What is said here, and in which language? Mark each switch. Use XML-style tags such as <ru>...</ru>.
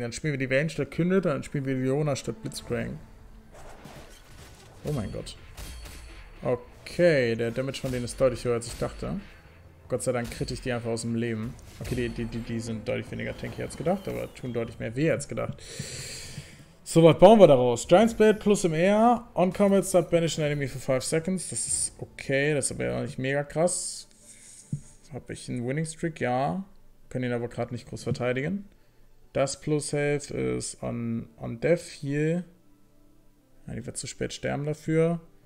<de>Dann spielen wir die Vayne statt Kindred, dann spielen wir die Leona statt Blitzcrank. Oh mein Gott. Okay, der Damage von denen ist deutlich höher, als ich dachte. Gott sei Dank kritte ich die einfach aus dem Leben. Okay, die sind deutlich weniger tanky als gedacht, aber tun deutlich mehr weh als gedacht. So, was bauen wir daraus? Giant's Blade plus im Air.</de> <en>On Combat Start, banish an enemy for 5 seconds.</en> <de>Das ist okay, das ist aber ja noch nicht mega krass. Habe ich einen Winning Streak? Ja. Können ihn aber gerade nicht groß verteidigen. Das plus Health ist on Death Heal. Ja, die wird zu spät sterben dafür.</de>